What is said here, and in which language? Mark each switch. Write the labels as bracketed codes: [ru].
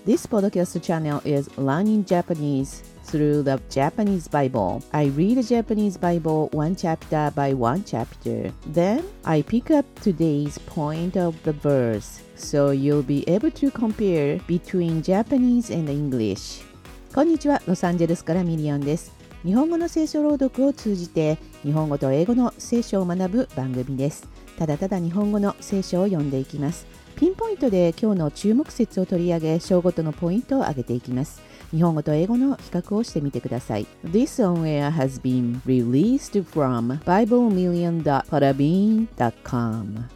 [en] This podcast channel is learning Japanese through the Japanese Bible. I read the Japanese Bible one chapter by one chapter. Then I pick up today's point of the verse, so you'll be able to compare between Japanese and English. [ja] こんにちは、ロサンゼルスからミリオンです。日本語の聖書朗読を通じて日本語と英語の聖書を学ぶ番組です。ただただ日本語の聖書を読んでいきます。ピンポイントで今日の注目節を取り上げ、章ごとのポイントを挙げていきます。日本語と英語の比較をしてみてください。 [en] This on air has been released from BibleMillion.podbean.com。